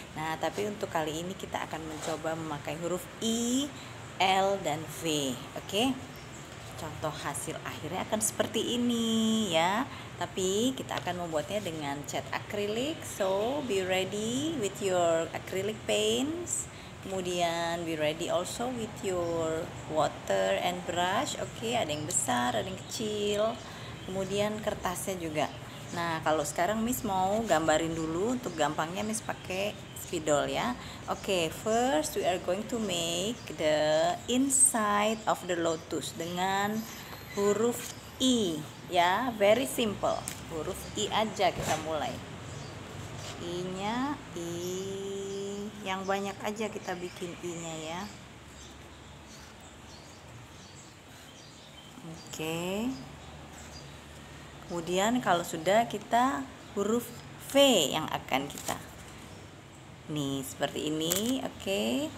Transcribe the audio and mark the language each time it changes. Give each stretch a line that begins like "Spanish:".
Indonesian: Nah, tapi untuk kali ini kita akan mencoba memakai huruf I, L, dan V. Okay? Contoh hasil akhirnya akan seperti ini ya. Tapi kita akan membuatnya dengan cat akrilik.
English: So be ready with your acrylic paints. Kemudian be ready also with your water and brush.
Indonesian: Oke, ada yang besar, ada yang kecil. Kemudian kertasnya juga. Nah, kalau sekarang Miss mau gambarin dulu, untuk gampangnya Miss pakai spidol ya.
English: Oke, first we are going to make the inside of the lotus
Indonesian: dengan huruf I ya,
English: very simple.
Indonesian: Huruf I aja kita mulai. I-nya I yang banyak aja kita bikin I-nya ya. Oke. Kemudian kalau sudah kita huruf V yang akan kita nih seperti ini, oke. Okay.